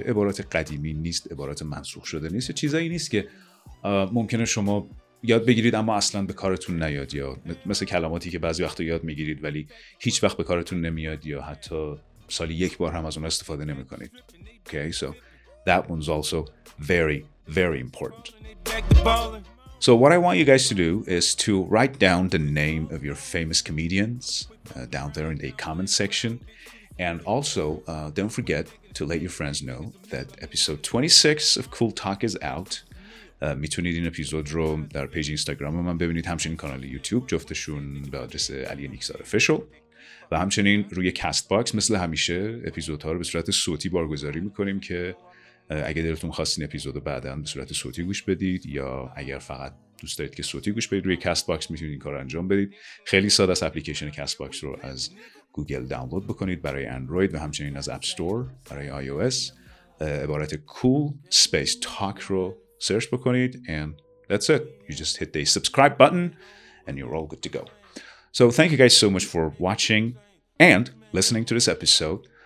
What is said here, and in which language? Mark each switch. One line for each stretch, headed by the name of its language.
Persian: عبارات قدیمی نیست، عبارات منسوخ شده نیست، چیزایی نیست که ممکنه شما یاد بگیرید اما اصلا به کارتون نیاد، یا مثل کلماتی که بعضی وقتا یاد میگیرید ولی هیچ وقت به کارتون نمیاد یا حتی سالی یک بار هم از اون استفاده نمی کنید.
English: Okay, so that one's also very very important. So what I want you guys to do is to write down the name of your famous comedians down there in the comment section. And also, don't forget to let your friends know that episode 26 of Cool Talk is out.
Persian: میتونید این اپیزود رو در پیج اینستاگرام من ببینید، همچنین کانال یوتیوب جفتشون به آدرس علی نیکزار افیشل، و همچنین روی کست باکس مثل همیشه اپیزودها رو به صورت صوتی بارگذاری میکنیم که اگه دلتون خواست این اپیزود رو بعدا به صورت صوتی گوش بدید، یا اگر فقط دوست دارید که صوتی گوش بدید روی کست باکس میتونید این کار رو انجام بدید. خیلی ساده است، اپلیکیشن کست باکس رو از گوگل دانلود بکنید برای اندروید و همچنین از اپ استور برای آی او اس. عبارت cool space talk رو سرچ بکنید
English: and that's it. You just hit the subscribe button and you're all good to go. So thank you guys so much for watching and listening to this episode.